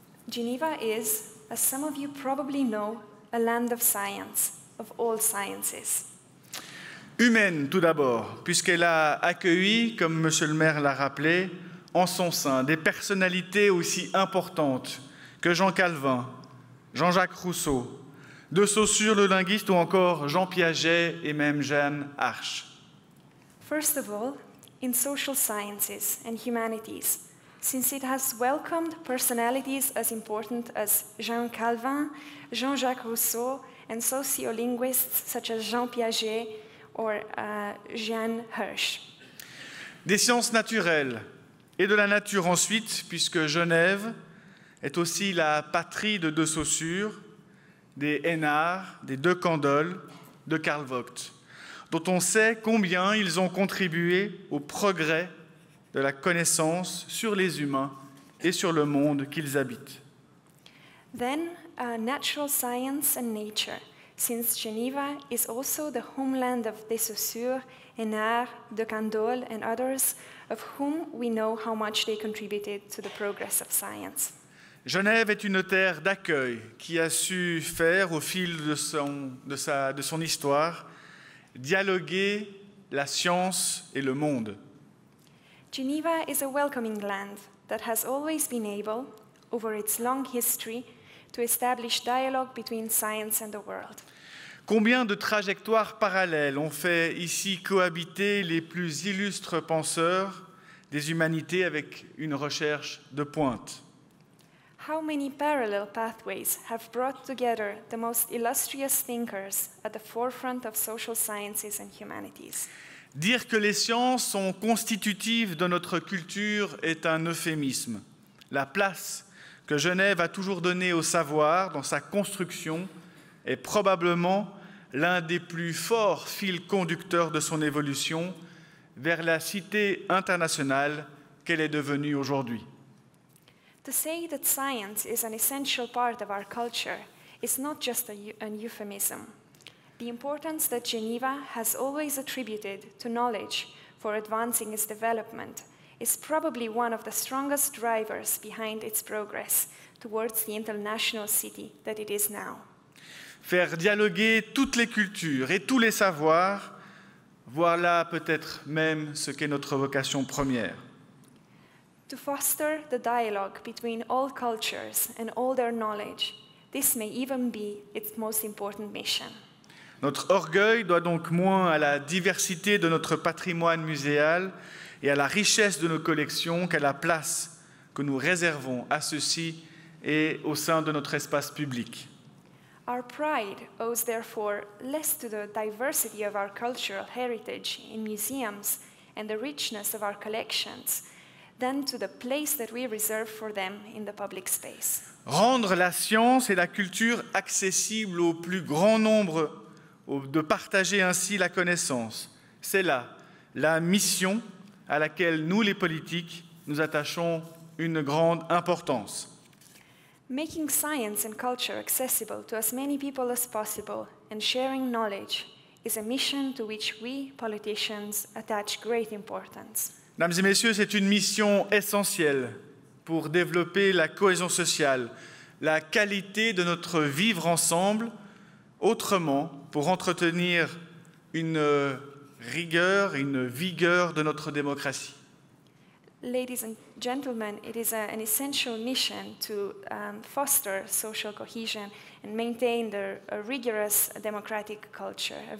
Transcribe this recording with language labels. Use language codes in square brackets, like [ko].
[en] Geneva is, as some of you probably know, a land of science, of all sciences. [fr] Humaine, tout d'abord, puisqu'elle a accueilli, comme Monsieur le maire l'a rappelé, en son sein, des personnalités aussi importantes que Jean Calvin, Jean-Jacques Rousseau, de Saussure le linguiste ou encore Jean Piaget et même Jeanne Arche. [en] First of all, in social sciences and humanities, since it has welcomed personalities as important as Jean Calvin, Jean-Jacques Rousseau, and sociolinguists such as Jean Piaget or Jeanne Hirsch. [fr] Des sciences naturelles et de la nature ensuite, puisque Genève est aussi la patrie de deux Saussures, des Hénard, des deux Candolles, de Karl Vogt, dont on sait combien ils ont contribué au progrès de la connaissance sur les humains et sur le monde qu'ils habitent. [en] Then, natural science and nature, since Geneva is also the homeland of des Saussures, Hénard, de Candolle, and others, of whom we know how much they contributed to the progress of science. [fr] Genève est une terre d'accueil qui a su faire, au fil de son histoire, dialoguer la science et le monde. [en] Geneva is a welcoming land that has always been able, over its long history, to establish dialogue between science and the world. [fr] Combien de trajectoires parallèles ont fait ici cohabiter les plus illustres penseurs des humanités avec une recherche de pointe? [en] How many parallel pathways have brought together the most illustrious thinkers at the forefront of social sciences and humanities? [fr] Dire que les sciences sont constitutives de notre culture est un euphémisme. La place que Genève a toujours donnée au savoir dans sa construction est probablement l'un des plus forts fils conducteurs de son évolution vers la cité internationale qu'elle est devenue aujourd'hui. [en] To say that science is an essential part of our culture is not just an euphemism. The importance that Geneva has always attributed to knowledge for advancing its development is probably one of the strongest drivers behind its progress towards the international city that it is now. [fr] Faire dialoguer toutes les cultures et tous les savoirs, voilà peut-être même ce qu'est notre vocation première. [en] To foster the dialogue between all cultures and all their knowledge, this may even be its most important mission. [fr] Notre orgueil doit donc moins à la diversité de notre patrimoine muséal et à la richesse de nos collections qu'à la place que nous réservons à ceci et au sein de notre espace public. [en] Our pride owes therefore less to the diversity of our cultural heritage in museums and the richness of our collections than to the place that we reserve for them in the public space. [fr] Rendre la science et la culture accessibles au plus grand nombre, de partager ainsi la connaissance, c'est là la mission à laquelle nous, les politiques, nous attachons une grande importance. [en] Making science and culture accessible to as many people as possible and sharing knowledge is a mission to which we, politicians, attach great importance. [fr] Mesdames et messieurs, c'est une mission essentielle pour développer la cohésion sociale, la qualité de notre vivre ensemble, autrement pour entretenir une rigueur, une vigueur de notre démocratie. [en] ladies and gentlemen, it is an essential mission to foster social cohesion and maintain a rigorous democratic culture.